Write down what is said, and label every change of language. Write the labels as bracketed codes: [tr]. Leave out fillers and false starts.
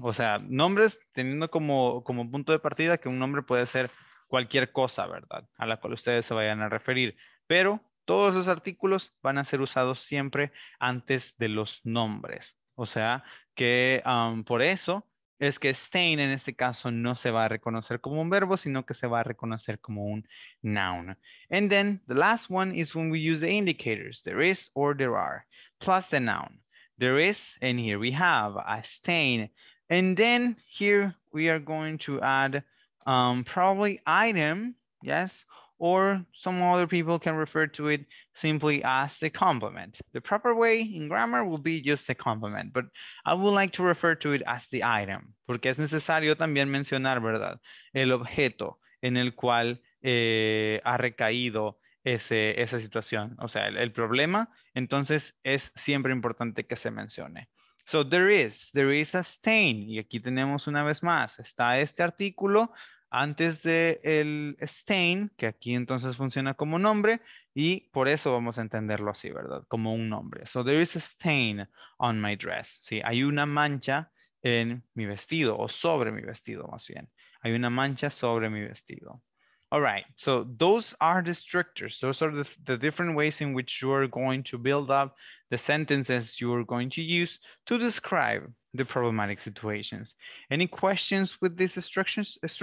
[es] O sea, nombres teniendo como punto de partida que un nombre puede ser cualquier cosa, ¿verdad?, a la cual ustedes se vayan a referir. Pero todos los artículos van a ser usados siempre antes de los nombres. O sea, que por eso es que stain en este caso no se va a reconocer como un verbo, sino que se va a reconocer como un noun. [en] And then the last one is when we use the indicators, there is or there are, plus the noun. There is, and here we have a stain. And then here we are going to add probably item, yes, or some other people can refer to it simply as the complement. The proper way in grammar will be just the complement, but I would like to refer to it as the item, [es] porque es necesario también mencionar, ¿verdad?, el objeto en el cual ha recaído esa situación, o sea, el problema, entonces es siempre importante que se mencione. [en] So there is a stain, [es] y aquí tenemos una vez más, está este artículo antes del stain, que aquí entonces funciona como nombre, y por eso vamos a entenderlo así, ¿verdad? Como un nombre. [en] So there is a stain on my dress. [es] Sí, hay una mancha en mi vestido, o sobre mi vestido más bien. Hay una mancha sobre mi vestido. [en] All right, so those are the structures. Those are the different ways in which you are going to build up the sentences you are going to use to describe the problematic situations. Any questions with these structures?